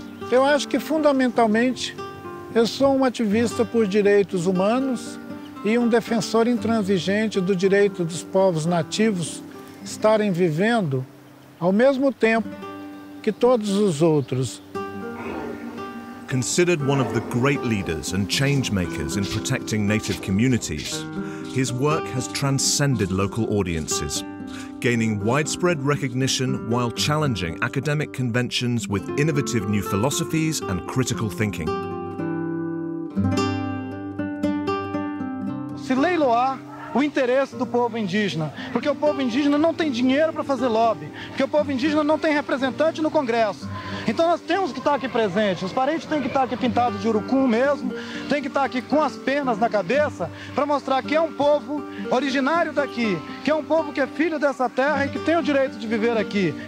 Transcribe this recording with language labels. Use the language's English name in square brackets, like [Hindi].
[Portuguese] Eu acho que fundamentalmente eu sou um ativista por direitos humanos e um defensor intransigente do direito dos povos nativos estarem vivendo ao mesmo tempo que todos os outros. [English] Considered one of the great leaders and changemakers in protecting native communities, his work has transcended local audiences, gaining widespread recognition while challenging academic conventions with innovative new philosophies and critical thinking. [Portuguese] Se leiloar o interesse do povo indígena, porque o povo indígena não tem dinheiro para fazer lobby, porque o povo indígena não tem representante no Congresso. Então nós temos que estar aqui presente, os parentes têm que estar aqui pintados de urucum mesmo, têm que estar aqui com as penas na cabeça para mostrar que é um povo originário daqui, que é um povo que é filho dessa terra e que tem o direito de viver aqui.